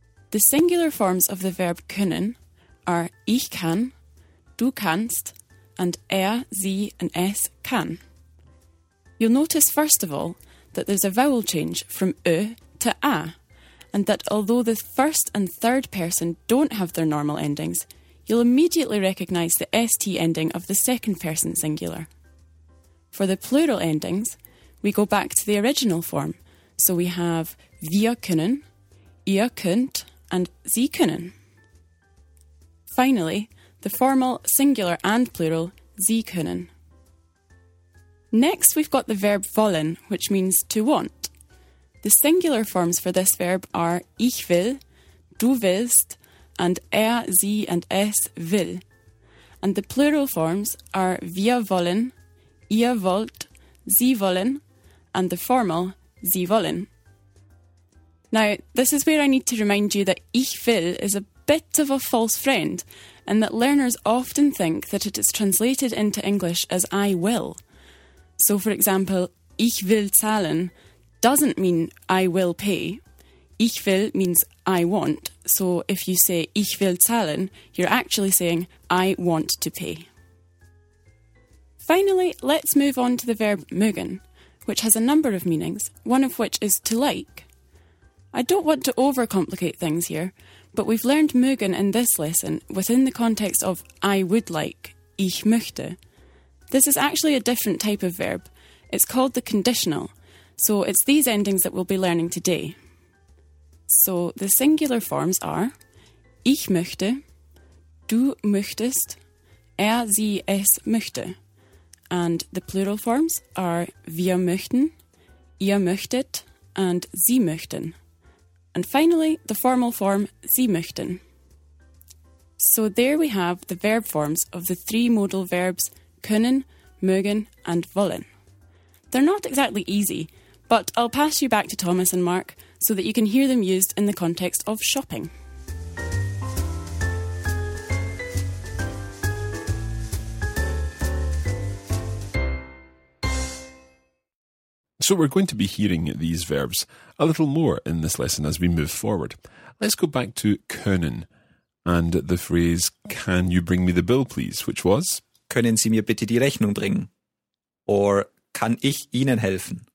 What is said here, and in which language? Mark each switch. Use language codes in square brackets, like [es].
[en] The singular forms of the verb können are [de] ich kann, du kannst, [en] and er, sie, and [de] es kann. [en] You'll notice, first of all, that there's a vowel change from ö to a, and that although the first and third person don't have their normal endings, you'll immediately recognise the st ending of the second person singular. For the plural endings, we go back to the original form, so we have [de] wir können, ihr könnt, [en] and [de] sie können. [en] Finally, the formal singular and plural, [de] sie können. [en] Next, we've got the verb wollen, which means to want. The singular forms for this verb are [de] ich will, du willst, [en] and er, sie, and [de] es will. [en] And the plural forms are [de] wir wollen, ihr wollt, sie wollen, [en] and the formal, [de] sie wollen. [en] Now, this is where I need to remind you that [de] ich will [en] is a bit of a false friend, and that learners often think that it is translated into English as I will. So, for example, [de] ich will zahlen [en] doesn't mean I will pay. [de] Ich will [en] means I want. So if you say [de] ich will zahlen, [en] you're actually saying I want to pay. Finally, let's move on to the verb mögen, which has a number of meanings, one of which is to like. I don't want to overcomplicate things here, but we've learned mögen in this lesson within the context of I would like, [de] ich möchte. [en] This is actually a different type of verb. It's called the conditional, so it's these endings that we'll be learning today. So the singular forms are [de] ich möchte, du möchtest, er, sie, es möchte. [en] And the plural forms are [de] wir möchten, ihr möchtet, [en] and [de] sie möchten. [en] And finally, the formal form [de] sie möchten. [en] So there we have the verb forms of the three modal verbs können, mögen, and wollen. They're not exactly easy, but I'll pass you back to Thomas and Mark so that you can hear them used in the context of shopping. So we're going to be hearing these verbs a little more in this lesson as we move forward. Let's go back to können and the phrase, can you bring me the bill, please, which was? [de] Können Sie mir bitte die Rechnung bringen? Or kann ich Ihnen helfen?